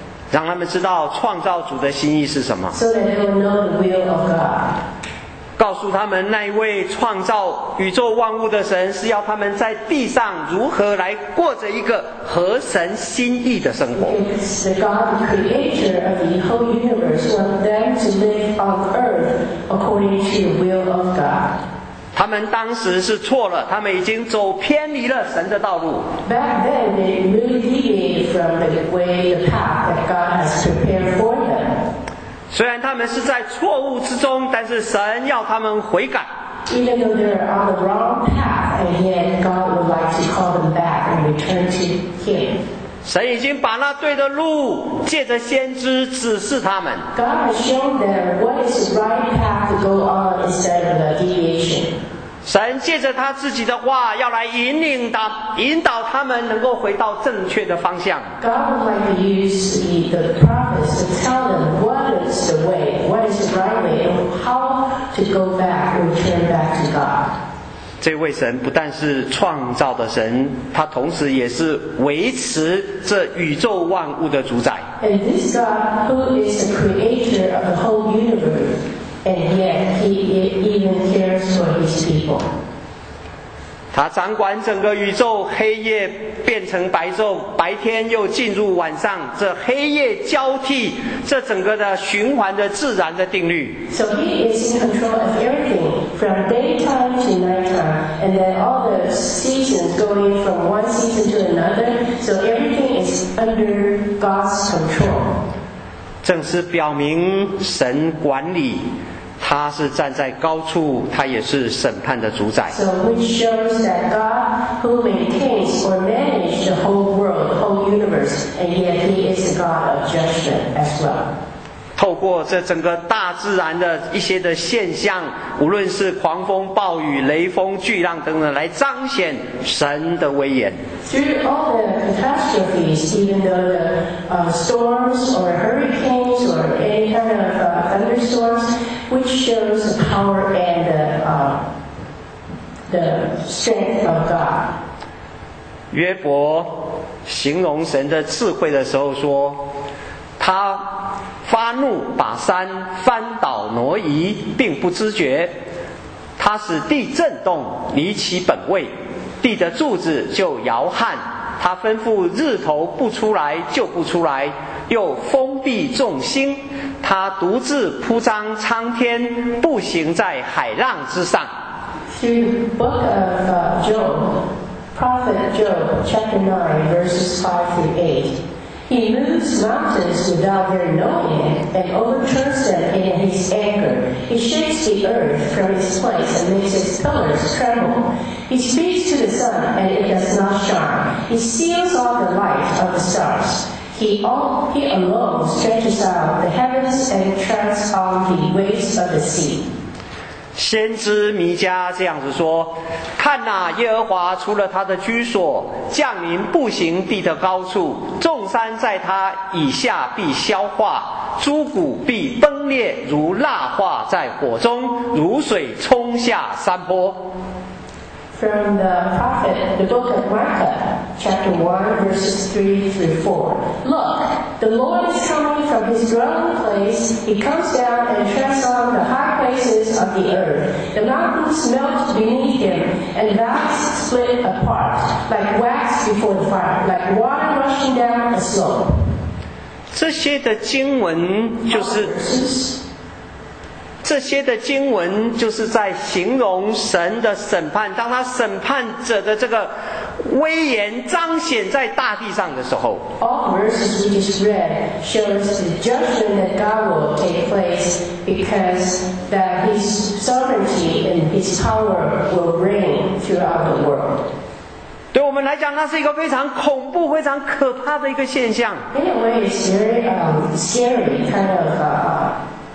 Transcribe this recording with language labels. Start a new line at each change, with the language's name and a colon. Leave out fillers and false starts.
Chinese: 让他们知道创造主的心意是什么。
English: So that they will know the will of God.
Chinese: 告诉他们那一位创造宇宙万物的神是要他们在地上如何来过着一个合神心意的生活。
English: The God creator of the whole universe wants them to live on earth according to the will of God.
Chinese: 他们当时是错了，他们已经走偏离了神的道路。
English: Back then, they really deviated from the way, the path that God has prepared for them.
Chinese: 虽然他们是在错误之中，但是神要他们悔改。
English: Even though they're on the wrong path, and yet God would like to call them back and return to Him.
Chinese: 神已经把那对的路借着先知指示他们。
English: God has shown them what is the right path to go on instead of the deviation.
Chinese: 神借着他自己的话要来引领他，引导他们能够回到正确的方向。
English: God would like to use the prophets to tell them what is the way, what is the right way, and how to go back or turn back to God。
Chinese: 这位神不但是创造的神，他同时也是维持这宇宙万物的主宰。
English: And this God who is the creator of the whole universe, and yet he even cares for his people.
Chinese: 他掌管整个宇宙，黑夜变成白昼，白天又进入晚上，这黑夜交替，这整个的循环的自然的定律。
English: So he is in control of everything. From daytime to nighttime, and then all the seasons going from one season to another, so everything is under God's control.
Chinese: 正是表明神管理，他是站在高处，他也是审判的主宰。
English: So which shows that God, who maintains or manages the whole world, the whole universe, and yet He is the God of judgment as well.
Chinese: 透过这整个大自然的一些的现象，无论是狂风暴雨、雷风巨浪等等，来彰显神的威严。
English: Through all the catastrophes, even though the storms or hurricanes or any kind of thunderstorms, which shows the power and the strength of God.
Chinese: 约伯形容神的智慧的时候说，他发怒把山翻倒挪移并不知觉，他使地震动离其本位，地的柱子就摇撼，他吩咐日头不出来就不出来，又封闭众星，他独自铺张苍天，步行在海浪之上。
English: Through the book of Job, Prophet Job chapter 9 verses 5 through 8,He moves mountains without their knowing, and overturns them in his anger. He shakes the earth from its place and makes its pillars tremble. He speaks to the sun, and it does not shine. He seals off the light of the stars. He alone stretches out the heavens and treads on the waves of the sea.
Chinese: 先知弥迦这样子说，看哪、啊、耶和华出了他的居所，降临步行地的高处，众山在他以下必消化，诸谷必崩裂，如蜡化在火中，如水冲下山坡。
English: From the prophet, the book of Micah, chapter 1, verses 3 through 4. Look, the Lord is coming from his dwelling place. He comes down and treads on the high. The mountains melt beneath him, and valleys split apart like wax before the fire, like water rushing down a slope.
Chinese: 这些的经文就是。这些的经文就是在形容神的审判，当他审判者的这个威严彰显在大地上的时候。
English: All verses we just read shows the judgment that God will take place because that his sovereignty and his power will reign throughout the world.
Chinese: 对我们来讲，那是一个非常恐怖、非常可怕的一个现象。
English: In a way, it's very scary kind of